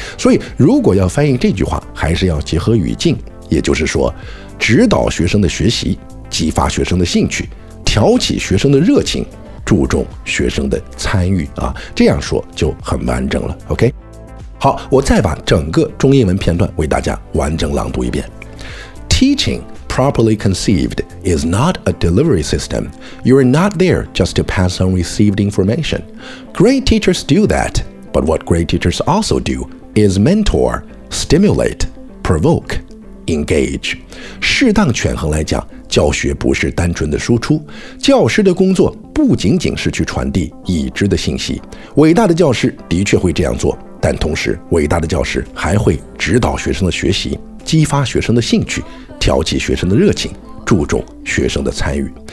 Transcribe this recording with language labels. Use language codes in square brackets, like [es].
[zh] 所以如果要翻译这句话，还是要结合语境，也就是说指导学生的学习，激发学生的兴趣，挑起学生的热情，注重学生的参与啊，这样说就很完整了， OK。好，我再把整个中英文片段为大家完整朗读一遍。 [en] TeachingProperly conceived is not a delivery system. You are not there just to pass on received information. Great teachers do that, but what great teachers also do is mentor, stimulate, provoke, engage. [zh] 适当权衡来讲，教学不是单纯的输出，教师的工作不仅仅是去传递已知的信息。伟大的教师的确会这样做，但同时伟大的教师还会指导学生的学习，激发学生的兴趣，挑起学生的热情，注重学生的参与。